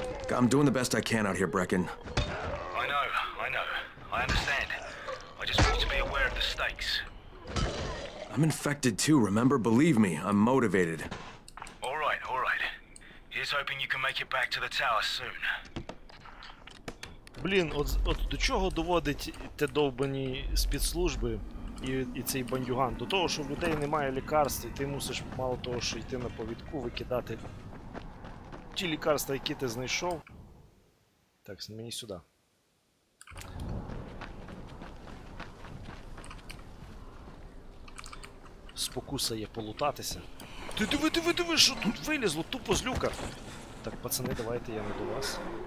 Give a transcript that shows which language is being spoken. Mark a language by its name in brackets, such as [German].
[English] I'm doing the best I can out here, Brecken. I know, I know. I understand. I just need to be aware of the stakes. I'm infected too, remember? Believe me, I'm motivated. All right, all right. Here's hoping you can make it back to the tower soon. [Ukrainian] Блін, от до чого доводить те довбані спецслужби і цей бандюган? До того, що в людей немає лікарств, і ти мусиш мало того, що йти на повідку, викидати ті лікарства, які ти знайшов. Так, мені сюди. Спокуса є полутатися. Ти диви, що тут вилізло, тупо з люка. Так, пацани, давайте я не до вас.